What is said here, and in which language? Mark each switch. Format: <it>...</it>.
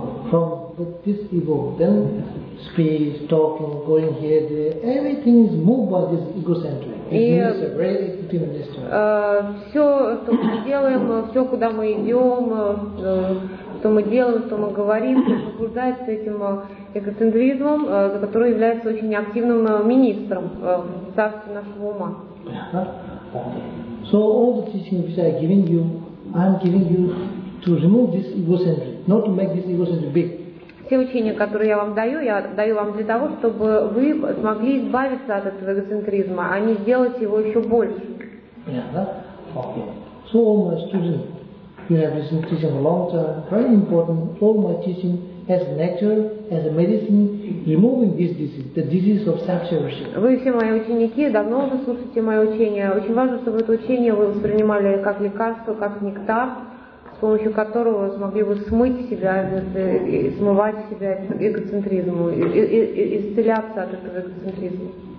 <en>From this ego, then speech, talking, going here, there, everything is moved by this egocentric. It's a very human nature.</en> <ru>Все, что мы делаем, все, куда мы идем, что мы делаем, что мы говорим, побуждается этим эгоцентризмом, который является очень активным министром в царстве нашего ума.</ru> <en>So all the teaching which I'm giving you to remove this egocentric. Not to make this egocentric big.</en> <ru>Все учения, которые я даю вам для того, чтобы вы смогли избавиться от этого эгоцентризма, а не сделать его еще больше.</ru> <en>So all my students, you have been teaching a long time. Very important. All my teaching as nature, as a medicine, removing this disease, the disease of self-cherishing.</en> <ru>Вы все мои ученики, давно уже слушаете мои учения. Очень важно, чтобы это учение вы воспринимали как лекарство, как нектар, с помощью которого смогли бы смыть себя и смывать себя эгоцентризмом, и исцеляться от этого эгоцентризма.</ru>